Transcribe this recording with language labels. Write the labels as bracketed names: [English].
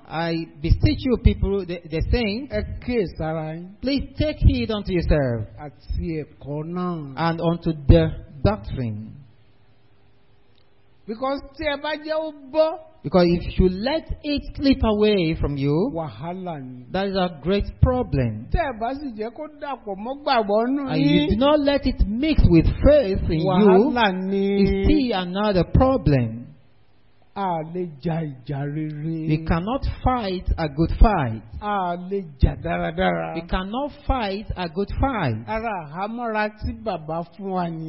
[English] I beseech you people the saying. [Yoruba] Ẹ kíyè sára yín. [English] Please take heed unto yourself. [Yoruba] Àti ẹ̀kọ́ náà. [English] And unto the doctrine. [Yoruba] Because tí ẹ bá jẹ́ ó gbọ́. [English] Because if you let it slip away from you. [Yoruba] Wàhálà ni. [English] That is a great problem. [Yoruba] Tí ẹ bá sì jẹ́ kó dàpọ̀ mọ́ gbàgbọ́ nù yín. [English] And you do not let it mix with faith in [Yoruba] wahala [English] you. [Yoruba] Wàhálà ni. [English] It's still another problem. [Yoruba] A lè jà ìjà rere. [English] We cannot fight a good fight. [Yoruba] A lè jà dáradára. [English] We cannot fight a good fight. [Yoruba] Ara àhámọ́ra tí bàbá fún wa nìyẹn.